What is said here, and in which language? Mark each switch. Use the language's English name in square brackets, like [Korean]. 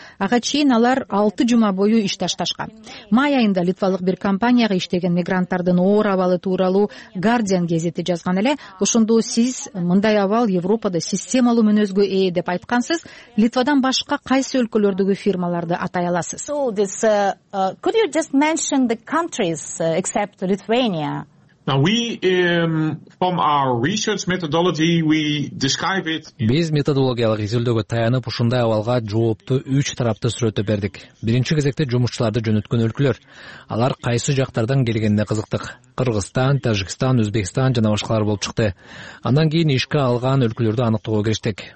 [Kyrgyz] Ага чейин алар 6 жума бою иш ташташкан. Май айында литвалык бир компанияга иштеген мигранттардын оор абалы тууралуу Guardian гезити жазган эле. Ошондо сиз мындай абал Европада системалуу мүнөзгө ээ деп айткансыз. Литвадан башка кайсы өлкөлөрдөгү фирмаларды атай аласыз? [English] Could you just mention the countries except Lithuania? From our research methodology, we describe it. [Kyrgyz] Биз методологиялык изилдөөгө таянып, ушундай абалга жоопту үч тарапты сүрөттөп бердик. Биринчи кезекте жумушчуларды жөнөткөн өлкөлөр. Алар кайсы жактардан келгенине кызыктык. Кыргызстан, Тажикстан, Өзбекстан жана башкалар болуп чыкты. Андан кийин ишке алган өлкөлөрдү аныктоого кириштик.